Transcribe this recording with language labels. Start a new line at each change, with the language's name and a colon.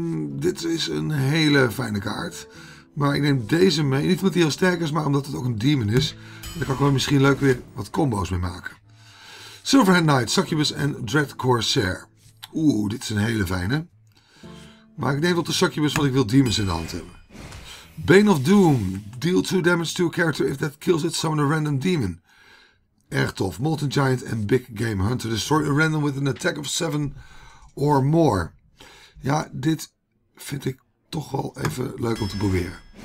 Dutch: Dit is een hele fijne kaart. Maar ik neem deze mee. Niet omdat hij heel sterk is, maar omdat het ook een demon is. Daar kan ik wel misschien leuk weer wat combo's mee maken. Silverhand Knight, Succubus en Dread Corsair. Oeh, dit is een hele fijne. Maar ik neem tot de Succubus, want ik wil demons in de hand hebben.
English: Bane of Doom. Deal 2 damage to a character if that kills it, summon a random demon.
Dutch: Erg tof.
English: Molten Giant en Big Game Hunter. Destroy a random with an attack of 7 or more.
Dutch: Ja, dit vind ik toch wel even leuk om te proberen.